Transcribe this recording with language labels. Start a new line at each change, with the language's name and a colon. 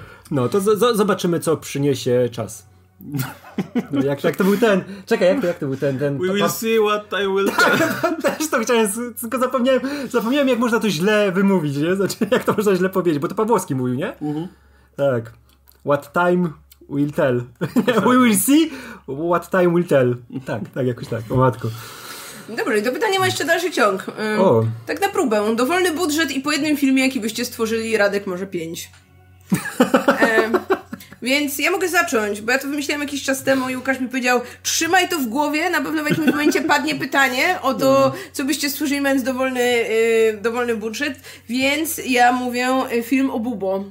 Polish: No to zobaczymy, co przyniesie czas. No, jak to był ten? Czekaj, jak to był ten? Ten
English: we will see what I will tell.
Polish: Tak, też to chciałem, tylko zapomniałem, jak można to źle wymówić, nie? Znaczy, jak to można źle powiedzieć, bo to Pawłowski mówił, nie? Uh-huh. Tak.
English: What time will tell. We will see what time will tell.
Polish: Tak, tak, jakoś tak, o matko. Dobrze, to pytanie ma jeszcze dalszy ciąg. Tak na próbę, dowolny budżet i po jednym filmie, jaki byście stworzyli, Radek może 5. Więc ja mogę zacząć, bo ja to wymyślałem jakiś czas temu i Łukasz mi powiedział, trzymaj to w głowie, na pewno w jakimś momencie padnie pytanie o to, co byście stworzyli, mając dowolny budżet, więc ja mówię film o Bubo.